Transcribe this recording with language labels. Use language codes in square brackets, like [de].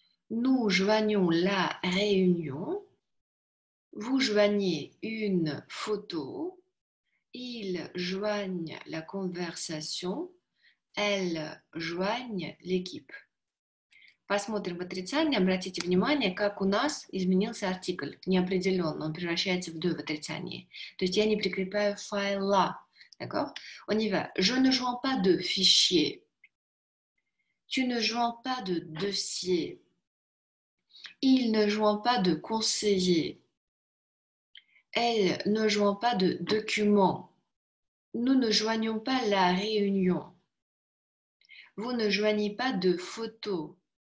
[fr] Nous joignons la réunion. Vous joignez une photo. Ils joignent la conversation. Elles joignent l'équipe. [ru] Посмотрим в отрицание. Обратите внимание, как у нас изменился артикль. Неопределенно. Он превращается в «de» в отрицании. То есть я не прикрепляю файла. [fr] D'accord? On y va. Je ne joins pas de fichier. Tu ne joins pas de dossier. Il ne joint pas de conseiller. Elle ne joint pas de document. Nous ne joignons pas la réunion. Vous ne joignez pas de photo.